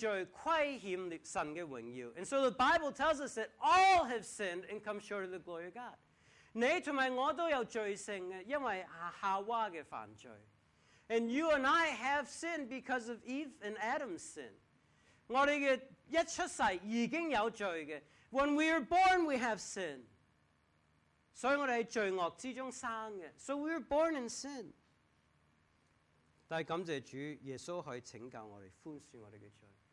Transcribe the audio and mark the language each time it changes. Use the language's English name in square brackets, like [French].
[Chinese] 所以圣经说，人犯了罪，亏欠神的荣耀。 [English] And so the Bible tells us that all have sinned and come short of the glory of God. [Chinese] 你和我都有罪性，因为夏娃的犯罪。 [English] And you and I have sinned because of Eve and Adam's sin. [Chinese] 我们一出世已经有罪的。 [English] When we are born, we have sinned. [Chinese] 所以我们在罪恶之中生的， [English] So we were born in sin. [Chinese] 但感谢主，耶稣可以拯救我们，宽恕我们的罪。